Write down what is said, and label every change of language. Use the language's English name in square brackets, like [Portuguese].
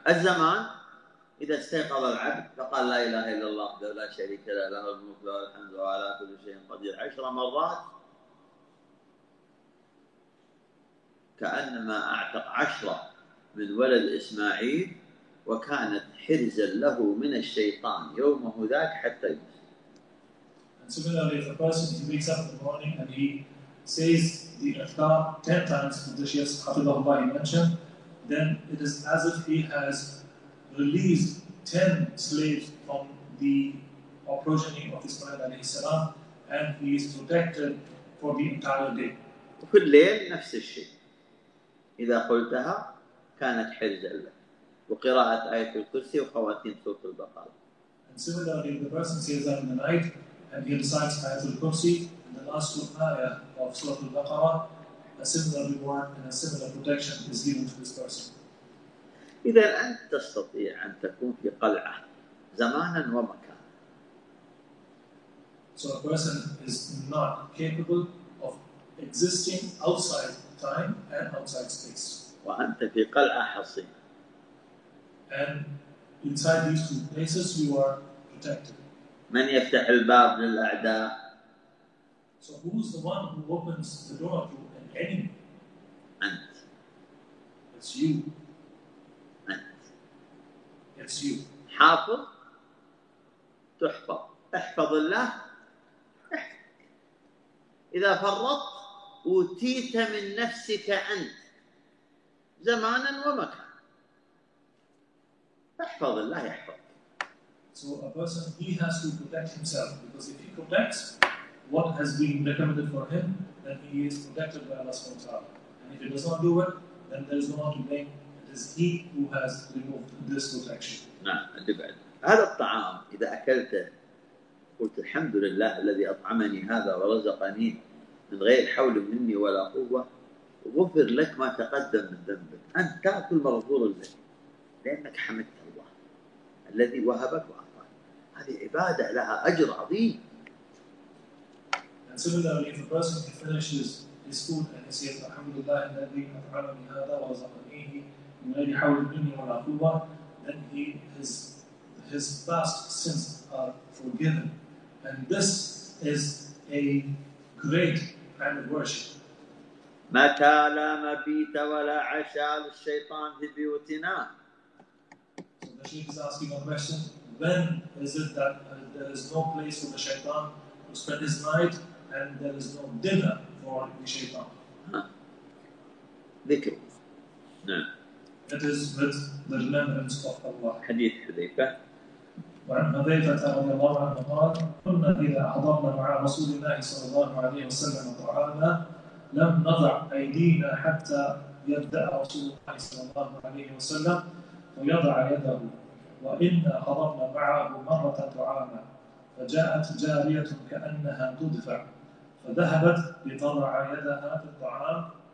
[Arabic] الزمان إذا استيقظ العبد فقال لا إله إلا الله لا شريك له له الملك له الحمد وعلى كل شيء قدير 10 مرات كأنما أعتق 10 من ولد إسماعيل وكانت حرزا له من الشيطان يومه ذاك حتى يمسك. [English] And similarly, if a person he wakes up in the morning and he says the adhkar 10 times with the shias Hafidhahu Allah he mentioned, then it is as if he has released 10 slaves from the progeny of Ismail alayhi salam and he is protected for the entire day. [Arabic] وكل ليل نفس الشيء. إذا قلتها كانت حرزا لك وقراءة آية الكرسي وخواتيم سورة البقرة. [English] And similarly, the person says that in the night and he recites آية الكرسي and the last ayah of سورة البقرة, a similar reward and a similar protection is given to this person. [Arabic] إذا أنت تستطيع أن تكون في قلعة زمانا ومكانا. [English] So a person is not capable of existing outside time and outside space. [Arabic] وأنت في قلعة حصينة. [English] And inside these two places you are protected. [Arabic] من يفتح الباب للأعداء؟ [English] So who is the one who opens the door to an enemy? [Arabic] أنت. [English] It's you. [Arabic] أنت. [English] It's you. [Arabic] حافظ تحفظ. احفظ الله. إذا فرطت أوتيت من نفسك أنت زمانا ومكانا احفظ الله يحفظك. [English] So a person he has to protect himself because if he protects what has been recommended for him then he is protected by Allah subhanahu wa ta'ala and if he does not do it then there is no one to blame, it is he who has removed this protection. [Arabic] نعم اللي بعد هذا الطعام إذا أكلته قلت الحمد لله الذي أطعمني هذا ورزقني من غير حول مني ولا قوة غفر لك ما تقدم من ذنبك أنت تأكل مغفور لك لأنك حمدت الله الذي وهبك وأعطاك هذه عبادة لها أجر عظيم. [English] And similarly, if a person he finishes his food and he says, Alhamdulillah, [Arabic] الذي أطعمني هذا ورزقنيه من غير حول مني ولا قوة, [English] then he, his past sins are forgiven. And this is a great kind of worship. [Arabic] متى لا مبيت ولا عشاء للشيطان في بيوتنا. [English] So the sheikh is asking a question. When is it that there is no place for the shaitan to spend his night and there is no dinner for the shaitan? [Arabic] ذكر. نعم. [English] It is with the remembrance of Allah. [Arabic] حديث حذيفة. وعن حذيفة رضي الله عنه قال: كنا إذا حضرنا مع رسول الله صلى الله عليه وسلم طعامنا لم نضع أيدينا حتى يبدأ رسول الله صلى الله عليه وسلم ويضع يده وإنا حضرنا معه مرة طعاما فجاءت جارية كأنها تدفع فذهبت لتضع يدها في الطعام